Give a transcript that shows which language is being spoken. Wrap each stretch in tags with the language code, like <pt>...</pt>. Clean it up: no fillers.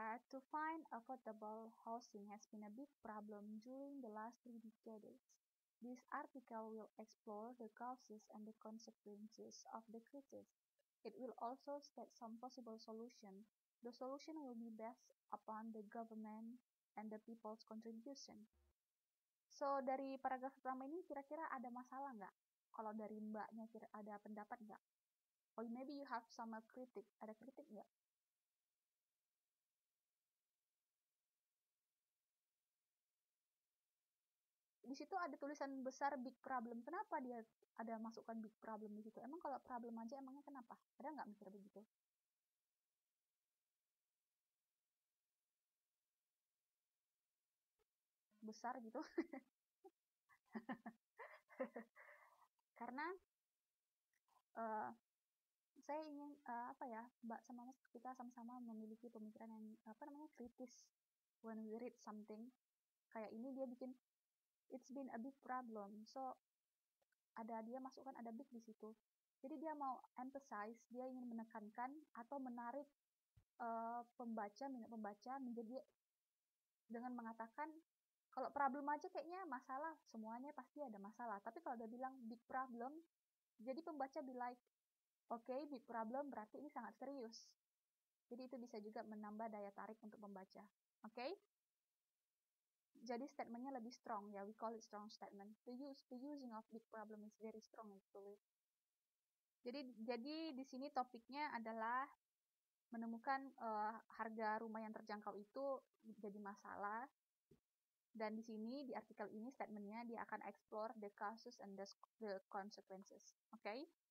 <en>To find affordable housing has been a big problem during the last 3 decades. This article will explore the causes and the consequences of the crisis. It will also state some possible solutions. The solution will be based upon the government and the people's contribution.</en> <id>So, dari paragraf pertama ini kira-kira ada masalah nggak? Kalau dari mbaknya kira ada pendapat nggak?</id> <en>Or maybe you have some kritik.</en> <id>Ada kritik nggak? di situ ada tulisan besar big problem. Kenapa dia ada masukkan big problem di situ? Emang kalau problem aja emangnya kenapa? Ada nggak mikir begitu? Besar gitu. Karena saya ingin apa ya, Mbak sama Mas, kita sama-sama memiliki pemikiran yang apa namanya kritis</id> <en>when we read something.</en> <id>Kayak ini dia bikin</id> <en>it's been a big problem.</en> <id>So ada dia masukkan ada big di situ. Jadi dia mau emphasize, dia ingin menekankan atau menarik pembaca, minat pembaca menjadi dengan mengatakan kalau problem aja kayaknya masalah, semuanya pasti ada masalah. Tapi kalau dia bilang big problem, jadi pembaca</id> <en>be like, okay, big problem</en> <id>berarti ini sangat serius. Jadi itu bisa juga menambah daya tarik untuk pembaca. Okay? Jadi statementnya lebih strong ya,</id> <en>we call it strong statement. The using of big problem is very strong actually.</en> <id>Jadi di sini topiknya adalah menemukan harga rumah yang terjangkau itu jadi masalah. Dan di sini, di artikel ini, statementnya, dia akan</id> <en>explore the causes and the consequences.</en> <id>Oke? Okay?</id>